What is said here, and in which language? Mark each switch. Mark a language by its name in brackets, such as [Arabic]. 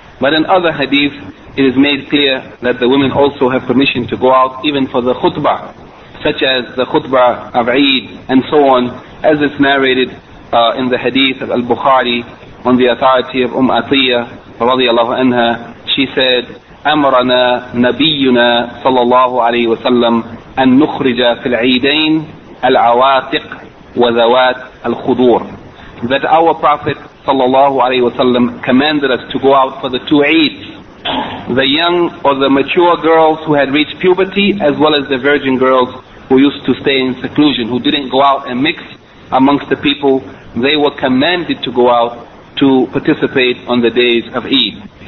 [English] But in other hadith, it is made clear that the women also have permission to go out even for the khutbah, such as the khutbah of Eid and so on, as it's narrated in the hadith of Al-Bukhari on the authority of Atiyah radiallahu anha. She said, [Arabic] أَمْرَنَا نَبِيُّنَا صَلَى اللَّهُ عَلَيْهِ وَسَلَّمْ أَن نُخْرِجَ فِي الْعِيدَيْنِ الْعَوَاتِقْ وَذَوَاتِ الْخُضُورِ. [English] That our Prophet sallallahu alayhi wa sallam commanded us to go out for the two Eids, the young or the mature girls who had reached puberty, as well as the virgin girls who used to stay in seclusion, who didn't go out and mix amongst the people. They were commanded to go out to participate on the days of Eid.